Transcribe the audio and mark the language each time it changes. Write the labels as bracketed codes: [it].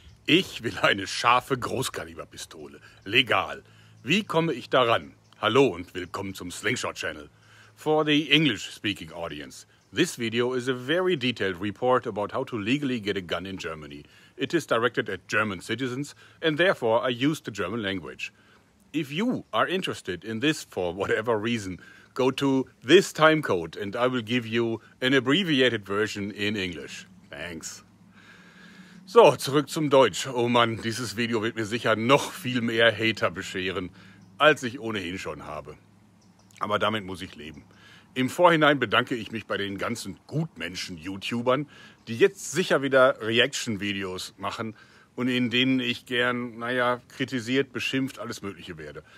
[de] Ich will eine scharfe Großkaliberpistole. Legal. Wie komme ich daran? Hallo und willkommen zum Slingshot Channel. [en] For the English-speaking audience, this video is a very detailed report about how to legally get a gun in Germany. It is directed at German citizens and therefore I use the German language. If you are interested in this for whatever reason, go to this time code and I will give you an abbreviated version in English. Thanks. [de] So, zurück zum Deutsch. Oh Mann, dieses Video wird mir sicher noch viel mehr Hater bescheren, als ich ohnehin schon habe. Aber damit muss ich leben. Im Vorhinein bedanke ich mich bei den ganzen Gutmenschen-YouTubern, die jetzt sicher wieder Reaction-Videos machen und in denen ich gern, naja, kritisiert, beschimpft, alles Mögliche werde.